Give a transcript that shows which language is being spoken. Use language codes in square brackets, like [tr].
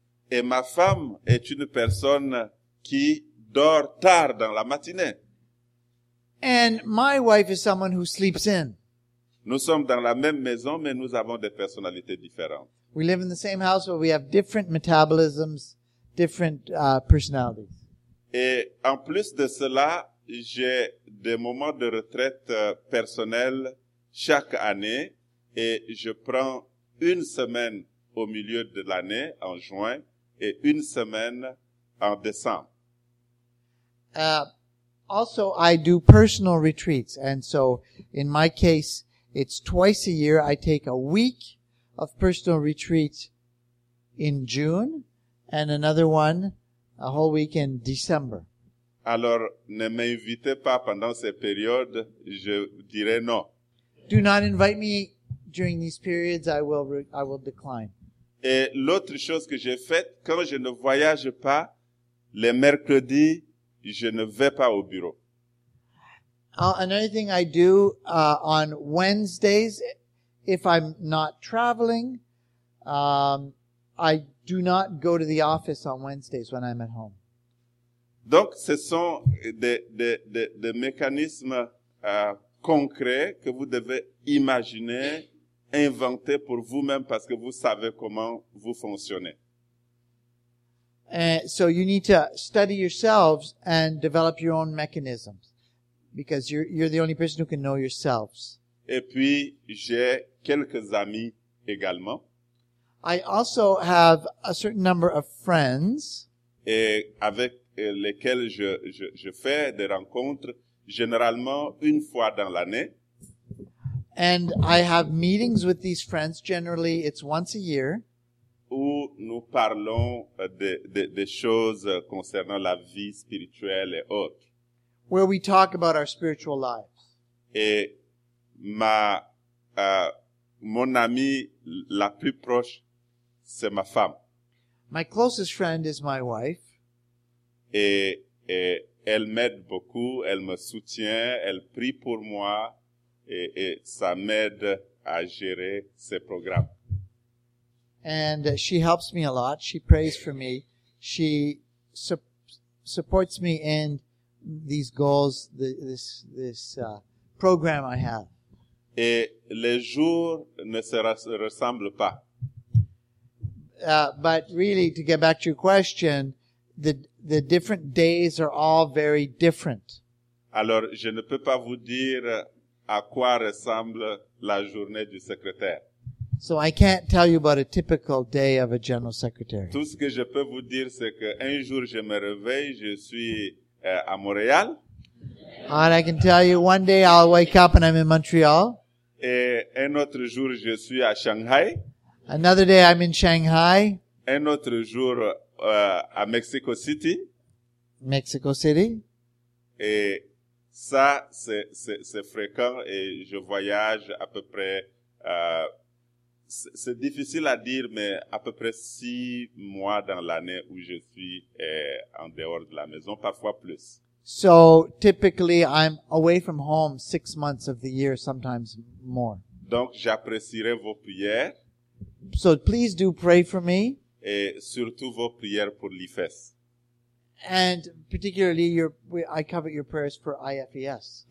[fr] Et ma femme est une personne qui dort tard dans la matinée. [en] And my wife is someone who sleeps in. [fr] Nous sommes dans la même maison, mais nous avons des personnalités différentes. [en] We live in the same house, but we have different metabolisms, different personalities. [fr] Et en plus de cela, j'ai des moments de retraite personnels chaque année et je prends une semaine au milieu de l'année en juin et une semaine en décembre. [en] Also, I do personal retreats. And so, in my case, it's twice a year. I take a week of personal retreat in June and another one a whole week in December. [fr] Alors, ne m'invitez pas pendant ces périodes, je dirais non. [en] Do not invite me during these periods, I will decline. [fr] Et l'autre chose que j'ai faite, quand je ne voyage pas, les mercredis, je ne vais pas au bureau. [en] Another thing I do on Wednesdays, if I'm not traveling, I do not go to the office on Wednesdays when I'm at home. [fr] Donc, ce sont des mécanismes concrets que vous devez imaginer, inventer pour vous-même parce que vous savez comment vous fonctionnez. [en] So you need to study yourselves and develop your own mechanisms because you're the only person who can know yourselves. [fr] Et puis, j'ai quelques amis également. [en] I also have a certain number of friends. [fr] Et avec lesquels je fais des rencontres généralement une fois dans l'année. [en] And I have meetings with these friends. Generally, it's once a year. [fr] Où nous parlons de choses concernant la vie spirituelle et autres. [en] Where we talk about our spiritual lives. [fr] Et mon ami la plus proche, c'est ma femme. [en] My closest friend is my wife. [fr] Et elle m'aide beaucoup, elle me soutient, elle prie pour moi, et ça m'aide à gérer ses programmes. [en] And she helps me a lot. She prays for me. She supports me in these goals, this program I have. [fr] Et les jours ne se ressemblent pas. [en] But really, to get back to your question, the different days are all very different. [fr] Alors, je ne peux pas vous dire à quoi ressemble la journée du secrétaire. [en] So I can't tell you about a typical day of a general secretary. [fr] Tout ce que je peux vous dire, c'est qu'un jour, je me réveille, je suis à Montréal. [en] And I can tell you, one day, I'll wake up and I'm in Montreal. [fr] Et un autre jour, je suis à Shanghai. [en] Another day, I'm in Shanghai. [fr] Un autre jour, à Mexico City. [en] Mexico City. [fr] Et ça, c'est fréquent et je voyage à peu près, c'est difficile à dire, mais à peu près 6 mois dans l'année où je suis en dehors de la maison, parfois plus. [en] So, typically, I'm away from home 6 months of the year, sometimes more. [fr] Donc, j'apprécierai vos prières. [en] So, please do pray for me. [fr] Et surtout vos prières pour l'IFES. [en] And particularly, I cover your prayers for IFES.